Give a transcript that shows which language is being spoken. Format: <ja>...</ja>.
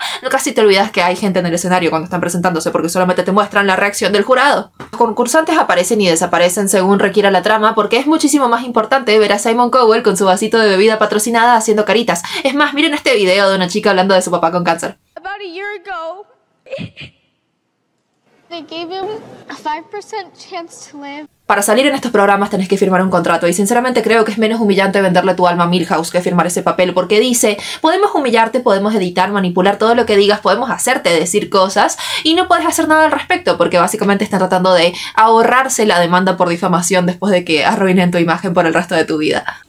<es>Casi te olvidas que hay gente en el escenario cuando están presentándose, porque solamente te muestran la reacción del jurado. Los concursantes aparecen y desaparecen según requiera la trama, porque es muchísimo más importante ver a Simon Cowell con su vasito de bebida patrocinada haciendo caritas. Es más, miren este video de una chica hablando de su papá con cáncer.</es> <en>About a year ago, they gave him a 5% chance to live.</en> <es>Para salir en estos programas tenés que firmar un contrato, y sinceramente creo que es menos humillante venderle tu alma a Milhouse que firmar ese papel, porque dice, podemos humillarte, podemos editar, manipular todo lo que digas, podemos hacerte decir cosas, y no puedes hacer nada al respecto, porque básicamente están tratando de ahorrarse la demanda por difamación después de que arruinen tu imagen por el resto de tu vida.</es>